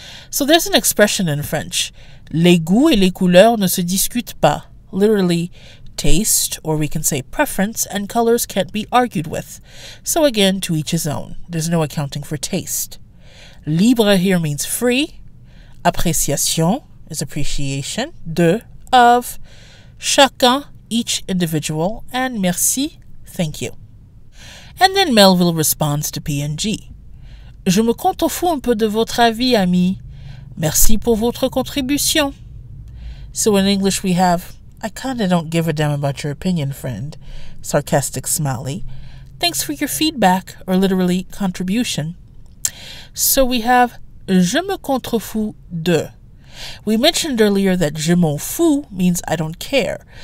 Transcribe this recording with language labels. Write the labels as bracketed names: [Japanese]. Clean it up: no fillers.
[English] So there's an expression in French, [French] les goûts et les couleurs ne se discutent pas. [English] Literally, taste, or we can say preference, and colors can't be argued with. So again, to each his own. There's no accounting for taste. Libre here means free. Appréciation is appreciation. De, of. Chacun, each individual. And merci, thank you. And then Melville responds to PNG. [French] Je me compte au fou un peu de votre avis, ami. Merci pour votre contribution. [English] So in English we have, I kinda don't give a damn about your opinion, friend. Sarcastic smiley. Thanks for your feedback, or literally, contribution. So we have, [French] je me contrefous de. [English] We mentioned earlier that [French] je m'en fous [English] means I don't care.